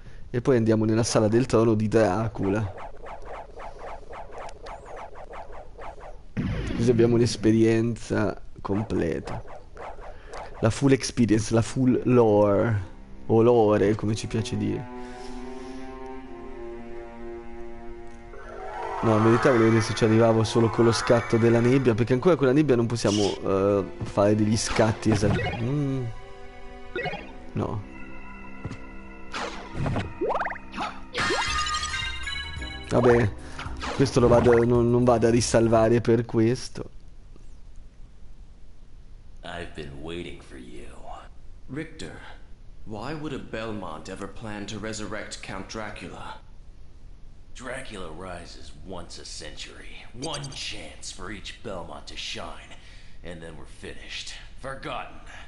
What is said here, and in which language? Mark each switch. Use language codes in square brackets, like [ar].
[it] E poi andiamo nella sala del trono di Dracula. Così abbiamo un'esperienza completa. [en] La full experience, la full lore. [it] O lore, come ci piace dire. No, in verità volevo vedere se ci arrivavo solo con lo scatto della nebbia, perché ancora con la nebbia non possiamo fare degli scatti esatti. No. Vabbè, questo lo vado, non vado a risalvare per questo. [en] I've been waiting for you. Richter, why would a Belmont ever plan to resurrect Count Dracula? Dracula rises once a century, one chance for each Belmont to shine, and then we're finished, forgotten.